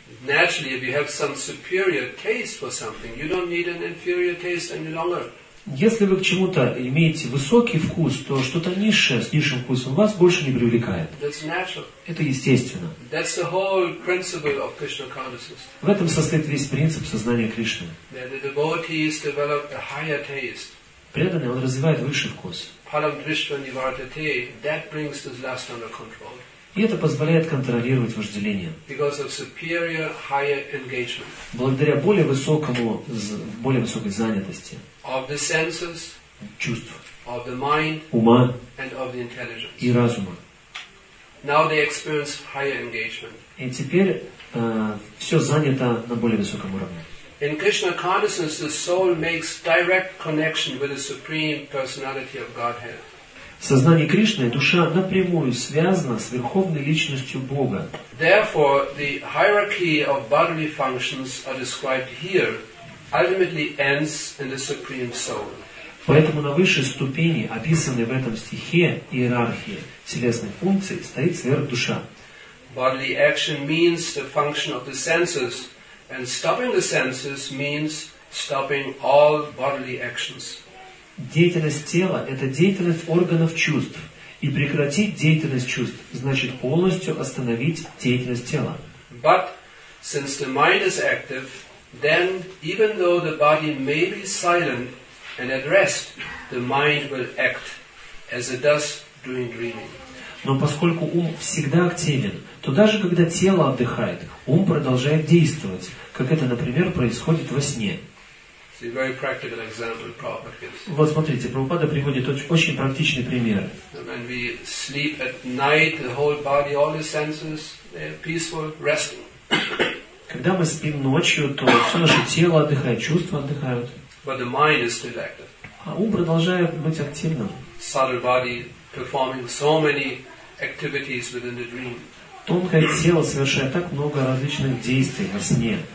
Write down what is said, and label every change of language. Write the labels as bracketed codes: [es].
[en] Naturally, if you have some superior taste for something, you don't need an inferior taste any longer. [ru] Если вы к чему-то имеете высокий вкус, то что-то низшее с низшим вкусом вас больше не привлекает. [en] That's natural. [ru] Это естественно. [en] That's the whole principle of Krishna consciousness. [ru] В этом состоит весь принцип сознания Кришны. [en] That the devotee has developed a higher taste. [ru] Преданный, он развивает высший вкус. [sa] Param Krishna Nivartate, [en] that brings this lust under control. [ru] И это позволяет контролировать вожделение. [en] Because of superior, higher engagement. [ru] Благодаря более высокому, более высокой занятости. [en] Of the senses, [ru] чувств. [en] Of the mind, [ru] ума. [en] And of the intelligence. [ru] И разума. [en] Now they experience higher engagement. [ru] И теперь все занято на более высоком уровне. [en] In Krishna consciousness, the soul makes direct connection with the Supreme Personality of Godhead. [ru] В сознании Кришны душа напрямую связана с Верховной Личностью Бога. [en] Therefore, the hierarchy of bodily functions are described here ultimately ends in the Supreme Soul. [ru] Поэтому на высшей ступени, описанной в этом стихе, иерархии телесной функции, стоит сверхдуша. [en] Bodily action means the function of the senses, and stopping the senses means stopping all bodily actions. [ru] Деятельность тела – это деятельность органов чувств. И прекратить деятельность чувств – значит полностью остановить деятельность тела. [en] But since the mind is active, then even though the body may be silent and at rest, the mind will act as it does during dreaming. [ru] Но поскольку ум всегда активен, то даже когда тело отдыхает, ум продолжает действовать, как это, например, происходит во сне. [en] A very practical example Prabhupada gives. [ru] Вот смотрите, Прабхупада приводит очень практичный пример. [en] When we sleep at night, the whole body, all the senses, they're peaceful, resting. [ru] Когда мы спим ночью, то все наше тело отдыхает, чувства отдыхают. [en] But the mind is still active. [ru] А ум продолжает быть активным. [en] Subtle body performing so many activities within the dream. [ru] Тонкое тело совершает так много различных действий во сне.